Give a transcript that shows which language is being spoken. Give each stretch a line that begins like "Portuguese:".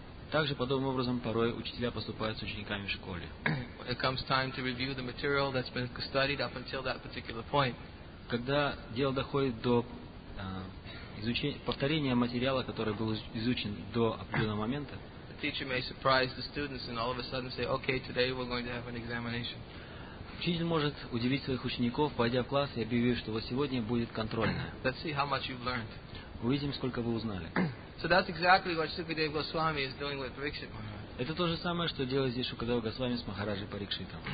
Russian: Также подобным образом порой учителя поступают с учениками в школе.
English: It comes time to review the material that's been studied up until that particular point.
Russian: Когда дело доходит до изучения, повторения материала, который был изучен до определенного момента,
English: the teacher may surprise the students and all of a sudden say, okay, today we're going to have an examination.
Russian: Учитель может удивить своих учеников, пойдя в класс и объявив, что вот сегодня будет контрольная.
English: Let's see how much you've learned.
Russian: Увидим, сколько вы узнали.
English: So that's exactly what Sukadeva Goswami is doing with Parikshit Maharaj.
Russian: Это то же самое, что делает здесь Шукадева Госвами с Махараджей Парикшитом.